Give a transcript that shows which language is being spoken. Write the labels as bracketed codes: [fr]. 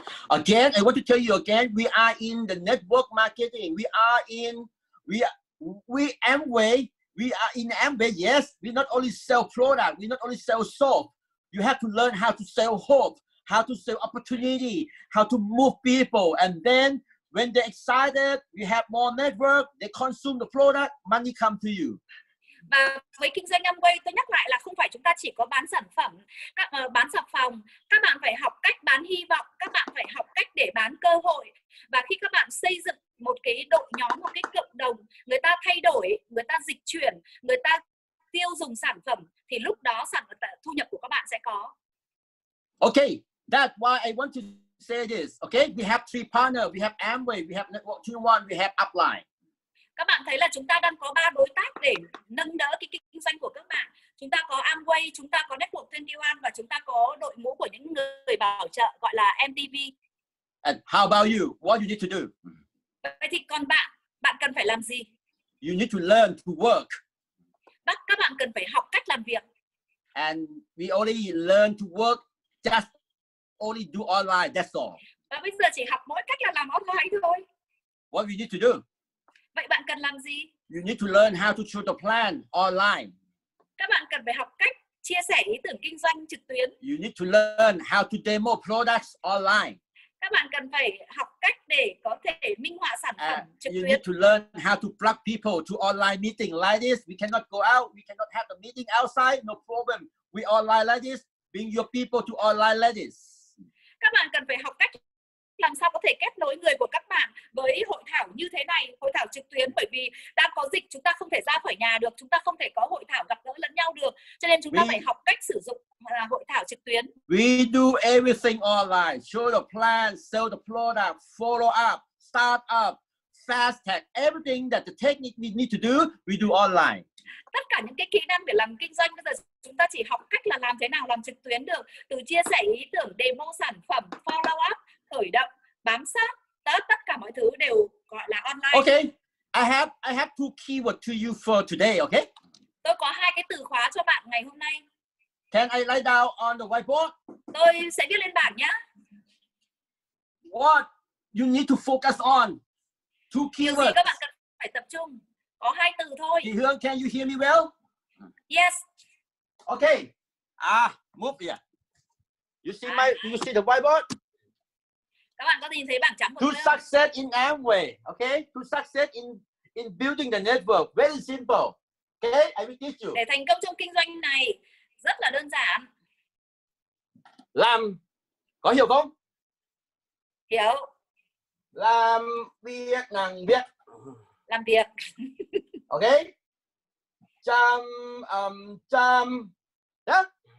[en] Again, I want to tell you again, we are in the network marketing. We are in, we Amway. We are in Amway, yes. We not only sell product, we not only sell soap. You have to learn how to sell hope, how to sell opportunity, how to move people. And then when they're excited, we have more network, they consume the product, money come to you. [vi] Và với kinh doanh Amway, tôi nhắc lại là không phải chúng ta chỉ có bán sản phẩm, bán sản phẩm. Các bạn phải học cách bán hy vọng, các bạn phải học cách để bán cơ hội. Và khi các bạn xây dựng một cái đội nhóm, một cái cộng đồng, người ta thay đổi, người ta dịch chuyển, người ta tiêu dùng sản phẩm, thì lúc đó sản phẩm, thu nhập của các bạn sẽ có. [en] Okay, that's why I want to say this. Okay, we have three partners. We have Amway, we have Network 21, we have Upline. [vi] Các bạn thấy là chúng ta đang có ba đối tác để nâng đỡ cái kinh doanh của các bạn. Chúng ta có Amway, chúng ta có Network 21 và chúng ta có đội ngũ của những người bảo trợ gọi là MTV. [en] And how about you? What you need to do? [vi] Vậy thì còn bạn, bạn cần phải làm gì? [en] You need to learn to work. [vi] Các bạn cần phải học cách làm việc. [en] And we only learn to work, just only do online, that's all. [vi] Và bây giờ chỉ học mỗi cách là làm online thôi. [en] What you need to do? [vi] Vậy bạn cần làm gì? [en] You need to learn how to shoot a plan online. [vi] Các bạn cần phải học cách chia sẻ ý tưởng kinh doanh trực tuyến. [en] You need to learn how to demo products online. [vi] Các bạn cần phải học cách để có thể minh họa sản phẩm trực tuyến. [en] You need to learn how to plug people to online meeting like this. We cannot go out, we cannot have the meeting outside, no problem. We online like this, bring your people to online like this. [vi] Các bạn cần phải học cách làm sao có thể kết nối người của các bạn với hội thảo như thế này, hội thảo trực tuyến, bởi vì đang có dịch, chúng ta không thể ra khỏi nhà được, chúng ta không thể có hội thảo gặp gỡ lẫn nhau được, cho nên chúng ta phải học cách sử dụng hội thảo trực tuyến. [en] We do everything online, show the plan, sell the product, follow up, start up, fast track, everything that the technique we need to do, we do online. [vi] Tất cả những cái kỹ năng để làm kinh doanh bây giờ chúng ta chỉ học cách là làm thế nào làm trực tuyến được, từ chia sẻ ý tưởng, demo sản phẩm, follow up, khởi động, bám sát, tất cả mọi thứ đều gọi là online. [en] Okay, I have two keywords to you for today, okay? [vi] Tôi có hai cái từ khóa cho bạn ngày hôm nay. [en] Can I write down on the whiteboard? [vi] Tôi sẽ viết lên bảng nhé. [en] What you need to focus on? Two keywords. [vi] Các bạn cần phải tập trung. Có hai từ thôi. Chị Hương, [en] can you hear me well? Yes. Okay. Move here. You see the whiteboard? [vi] Các bạn có nhìn thấy bảng trắng không? [en] To success in Amway, okay? To success in building the network, very simple. Okay? I will teach you. [vi] Để thành công trong kinh doanh này rất là đơn giản. Làm có hiểu không? Hiểu. Làm việc nặng việc. Làm việc. Okay? Chăm. Yeah?